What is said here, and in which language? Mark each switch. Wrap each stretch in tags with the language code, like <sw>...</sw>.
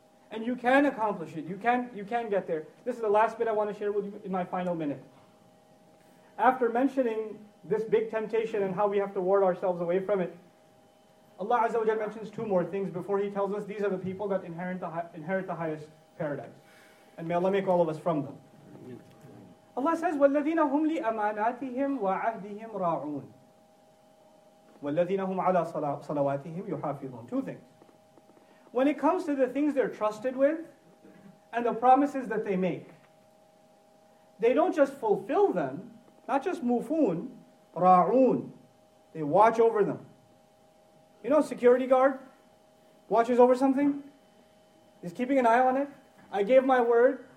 <en>And you can accomplish it. You can get there. This is the last bit I want to share with you in my final minute. After mentioning this big temptation and how we have to ward ourselves away from it, Allah Azza wa Jalla mentions two more things before He tells us these are the people that inherit the highest paradise. And may Allah make all of us from them. Allah says,</en> <ar>وَالَّذِينَ هُمْ لِأَمَانَاتِهِمْ وَعَهْدِهِمْ رَاعُونَ وَالَّذِينَ هُمْ عَلَى صَلَوَاتِهِمْ يُحَافِظُونَ.</ar> <en>Two things. When it comes to the things they're trusted with and the promises that they make, they don't just fulfill them, not just mufoon, ra'oon. They watch over them. You know, security guard watches over something. He's keeping an eye on it. I gave my word.</en>